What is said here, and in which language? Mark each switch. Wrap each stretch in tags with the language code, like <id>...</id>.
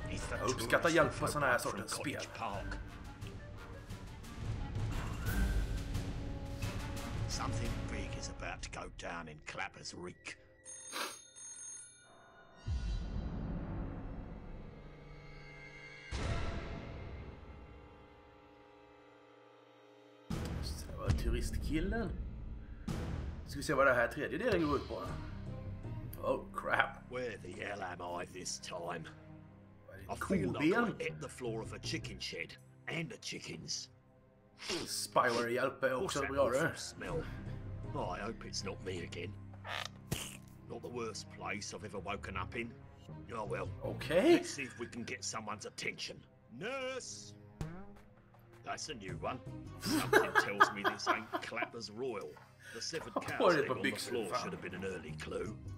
<sv>Jag uppskattar hjälp på såna här sortens spel.</sv> <en>Something big is about to go down in Clapper's Reek.</en> <sv>Så det var turistkillen. Ska vi se vad det här tredje delen går ut på.</sv> <en>Oh crap. Where the hell am I this time? A cool beam hit the floor of a chicken shed and the chickens.</en> <sv>Spyware hjälp är också bra, du.</sv> <en>Smell. Oh, I hope it's not me again. Not the worst place I've ever woken up in. Oh well. Okay. Let's see if we can get someone's attention. Nurse! That's a new one. Something tells me this ain't Clapper's Royal. The severed cow's head on the floor should have been an early clue.</en>